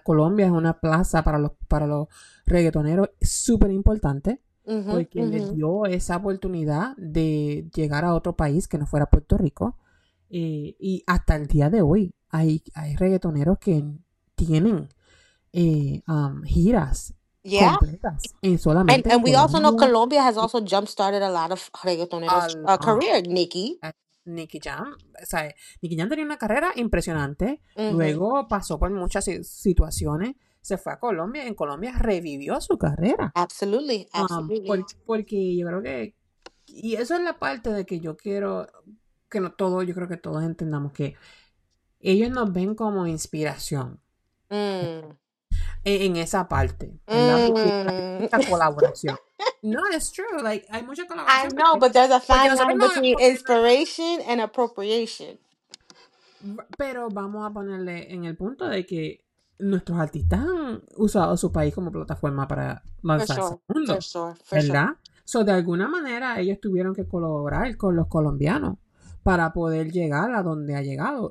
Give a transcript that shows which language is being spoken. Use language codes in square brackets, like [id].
[es] Colombia es una plaza para los reggaetoneros súper importante, porque le dio esa oportunidad de llegar a otro país que no fuera Puerto Rico. Y hasta el día de hoy hay reggaetoneros que tienen giras. [en] Yeah. [es] Solamente [en] and we also know Colombia has also jump-started a lot of reggaetoneros' career. Nicky Jam. [es] O sea, Nicky Jam tenía una carrera impresionante. Uh-huh. Luego pasó por muchas situaciones. Se fue a Colombia. En Colombia revivió su carrera. [en] Absolutely. [es] Porque yo creo que... Y eso es la parte de que yo quiero... Que no todo, yo creo que todos entendamos que ellos nos ven como inspiración. En esa parte, esta colaboración. [en] No, it's true. [es] Like, hay mucha colaboración. [en] I know, but there's a fine line between inspiration and appropriation. [es] Pero vamos a ponerle en el punto de que nuestros artistas han usado su país como plataforma para lanzarse [en] sure. [es] al mundo. [en] For [es] ¿verdad? [en] Sure. [es] So, de alguna manera, ellos tuvieron que colaborar con los colombianos para poder llegar a donde ha llegado.